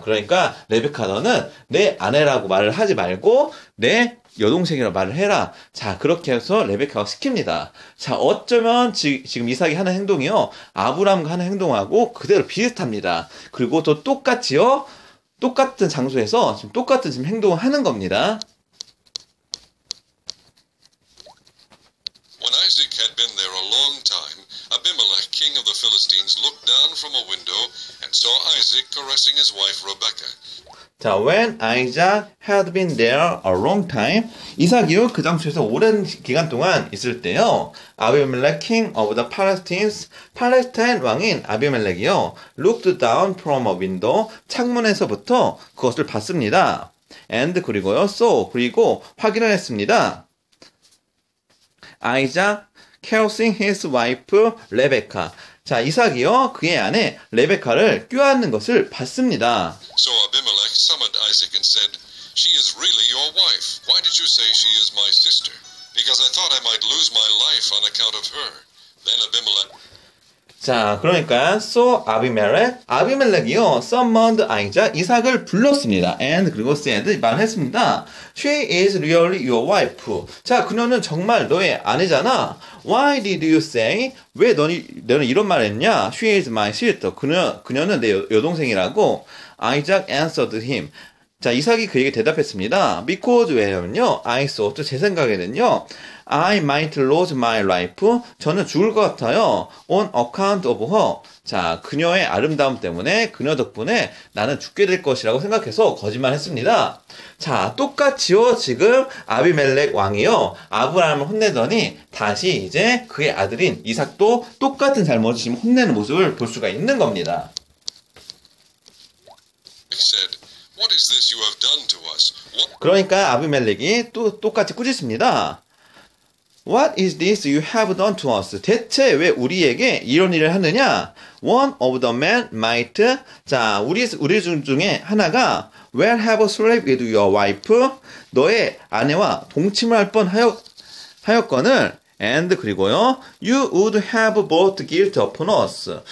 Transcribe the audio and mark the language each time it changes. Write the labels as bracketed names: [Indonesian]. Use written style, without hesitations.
[Korean] 그러니까 레베카 너는 내 아내라고 말을 하지 말고 내 여동생이라고 말을 해라. 자, 그렇게 해서 레베카가 시킵니다. 자, 어쩌면 지금 이삭이 하는 행동이요. 아브라함과 하는 행동하고 그대로 비슷합니다. 그리고 또 똑같이요. 똑같은 장소에서 지금 똑같은 지금 행동을 하는 겁니다. [English] Isaac had been there a long time, Abimelech, king of the Philistines, looked down from a window and saw Isaac caressing his wife Rebekah. When Isaac had been there a long time, [Korean] 이삭이요 그 장소에서 오랜 기간 동안 있을 때요, [English] Abimelech, king of the Philistines, [Korean] 팔레스타인 왕인 아비멜렉이요, [English] looked down from a window, [Korean] 창문에서부터 그것을 봤습니다. [English] And [Korean] 그리고요, [English] saw, [Korean] 그리고 확인을 했습니다. [English] Isaac caressing his wife, Rebecca. [Korean] 자, 이삭이요, 그의 아내, 레베카를 꾀하는 것을 봤습니다. [English] So Abimelech summoned Isaac and said, "She is really your wife. Why did you say she is my sister? Because I thought I might lose my life on account of her." Then Abimelech. [Korean] 자, 그러니까, [English] so, [Korean] Abimelech, Abimelech이요, [English] summoned Isaac, [Korean] 이삭을 불렀습니다. [English] And, [Korean] 그리고 [English] said, [Korean] 말했습니다. [English] She is really your wife. [Korean] 자, 그녀는 정말 너의 아내잖아. [English] Why did you say, [Korean] 왜 너는 이런 말 했냐? [English] She is my sister. [Korean] 그녀는 내 여동생이라고. [English] Isaac answered him. [Korean] 자, 이삭이 그에게 대답했습니다. [English] Because, [Korean] 왜냐면요, [English] I thought, [Korean] 제 생각에는요, [English] I might lose my life. [Korean] 저는 죽을 것 같아요. [English] On account of her. [Korean] 자, 그녀의 아름다움 때문에, 그녀 덕분에 나는 죽게 될 것이라고 생각해서 거짓말했습니다. 자, 똑같이요. 지금 아비멜렉 왕이요. 아브라함을 혼내더니 다시 이제 그의 아들인 이삭도 똑같은 잘못을 지금 혼내는 모습을 볼 수가 있는 겁니다. [English] Said, "What is this you have done to us? What?" [Korean] 그러니까 아비멜렉이 또 똑같이 꾸짖습니다. [English] What is this you have done to us? [Korean] 대체 왜 우리에게 이런 일을 하느냐? [English] One of the men might. [Korean] 자, 우리 중에 하나가 [English] Well, have a sleep with your wife. [Korean] 너의 아내와 동침을 할 뻔하였거늘. [English] And [Korean] 그리고요. [English] You would have brought guilt upon us.